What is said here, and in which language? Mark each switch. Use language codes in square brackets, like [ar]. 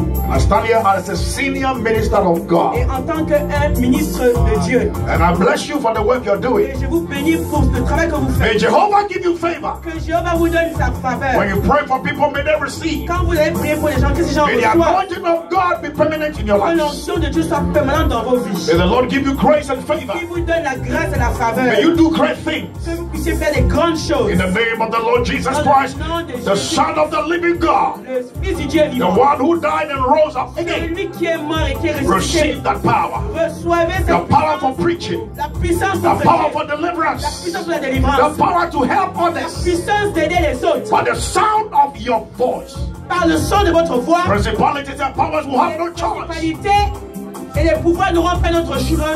[en] I stand here as a senior minister of God. [fr] Et en tant qu'un ministre de Dieu. [en] And I bless you for the work you're doing. [fr] Et je vous bénis pour le travail que vous faites. [en] May Jehovah give you favor. [fr] Que Jehovah vous donne sa faveur. [en] When you pray for people, may they receive. [fr] Quand vous allez prier pour les gens, que ces gens reçoivent. [en] May the anointing of God be permanent in your life. [fr] Que l'onction de Dieu soit permanente dans vos vies. [en] May the Lord give you grace and favor. [fr] Qu'il vous donne la grâce et la faveur. [en] May you do great things. [fr] Que vous puissiez faire des grandes choses. [en] In the name of the Lord Jesus Christ, the Son of the Living God, [fr] le Fils du Dieu vivant, [en] the one who died and rose. [fr] Celui qui est mort et qui est ressuscité. [en] Receive that power. The power for preaching. [fr] La puissance [en] the power for deliverance. [fr] La puissance pour la délivrance. [en] The power to help others. [fr] La puissance d'aider les autres. [en] By the sound of your voice. [fr] Par le son de votre voix. [en] Principalities and powers will have no choice. [fr] Principalités et les pouvoirs n'auront pas notre choix.